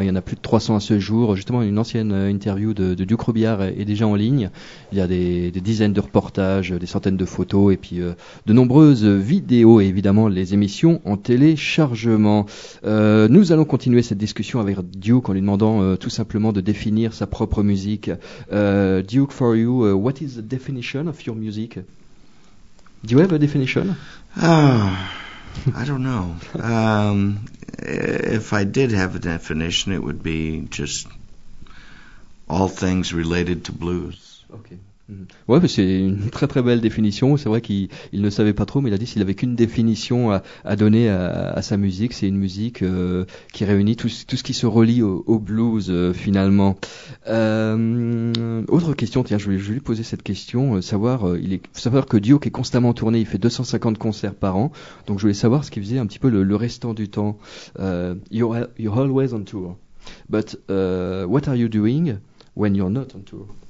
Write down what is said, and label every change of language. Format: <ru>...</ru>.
<fr>Il y en a plus de 300 à ce jour. Justement, une ancienne interview de Duke Robillard est déjà en ligne. Il y a des dizaines de reportages, des centaines de photos et puis de nombreuses vidéos et évidemment les émissions en téléchargement. Nous allons continuer cette discussion avec Duke en lui demandant tout simplement de définir sa propre musique.</fr> <en>Duke, for you, what is the definition of your music? Do you have a definition? I don't know. If I did have a definition, it would be just all things related to blues. Okay.</en> <fr>Ouais, mais c'est une très très belle définition. C'est vrai qu'il ne savait pas trop, mais il a dit s'il avait qu'une définition à donner à sa musique, c'est une musique qui réunit tout ce qui se relie au blues finalement. Autre question, tiens, je vais lui poser cette question. Faut savoir que Duke est constamment tourné, il fait 250 concerts par an. Donc je voulais savoir ce qu'il faisait un petit peu le restant du temps.</fr> <en>You're always on tour, but what are you doing when you're not on tour?</en>